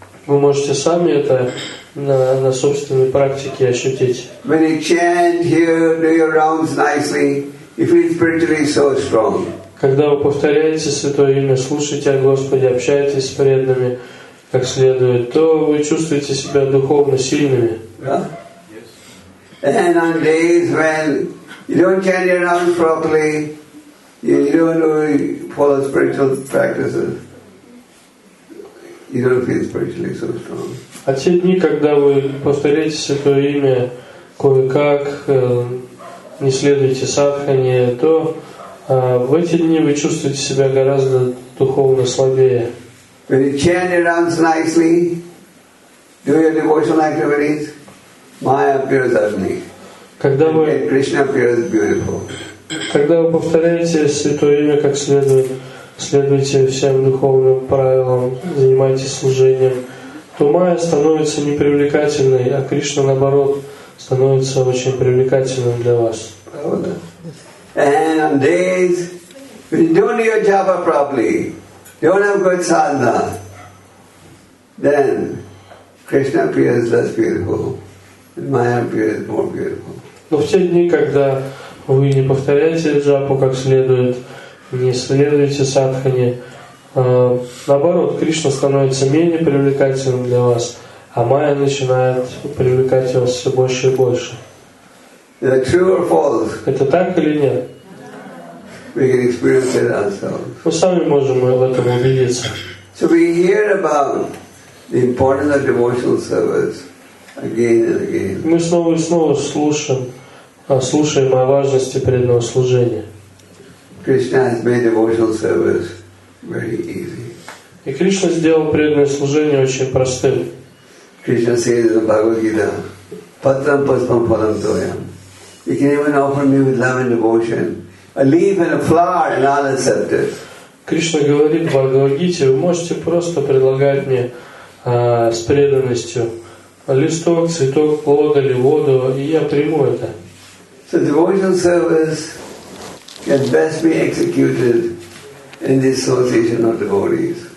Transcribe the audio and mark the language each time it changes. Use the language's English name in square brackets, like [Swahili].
[Russian] Вы можете сами это на собственной практике ощутить. [English] When you chant here, do your rounds nicely, you feel spiritually so strong. [Russian] Когда вы повторяете святое имя, слушаете о Господе, общаетесь с преданными как следует, то вы чувствуете себя духовно сильными. [English] And on days when you don't chant your rounds properly, you don't really follow spiritual practices. You don't feel spiritually so strong. [Russian] А те дни, когда вы повторяете святое имя кое-как, не следуете садхане, то в эти дни вы чувствуете себя гораздо духовно слабее. [English] When you chant your rounds nicely, do your devotional activities, Maya appears ugly. [Russian] Когда вы, [English] and Krishna appears beautiful. [Russian] Когда вы повторяете святое имя как следует, следуйте всем духовным правилам, занимайтесь служением, то майя становится непривлекательной, а Кришна, наоборот, становится очень привлекательным для вас. Правда? [English] And on days when you don't do your japa properly, you don't have good sadhana, then Krishna appears less beautiful and Maya appears more beautiful. [Russian] Но в те дни, когда вы не повторяете джапу как следует, не следуете садхане, наоборот, Кришна становится менее привлекательным для вас, а майя начинает привлекать вас все больше и больше. [English] Is it true or false? [Russian] Это так или нет? [English] We can experience it ourselves. [Russian] Мы сами можем в этом убедиться. [English] So we hear about the importance of devotional service again and again. [Russian] Мы снова и снова слушаем о важности преданного служения. [English] Krishna has made devotional service very easy. [Russian] И Кришна сделал преданное служение очень простым. [English] Krishna says in the Bhagavad Gita, [Sanskrit] "Patram paspam phalam doyam." [English] You can even offer me with love and devotion a leaf and a flower, and I'll accept it. [Russian] Кришна говорит в Бхагавад Гите, вы можете просто предлагать мне с преданностью листок, цветок, плод или воду, и я приму это. [English] So devotional service can best be executed in the association of devotees.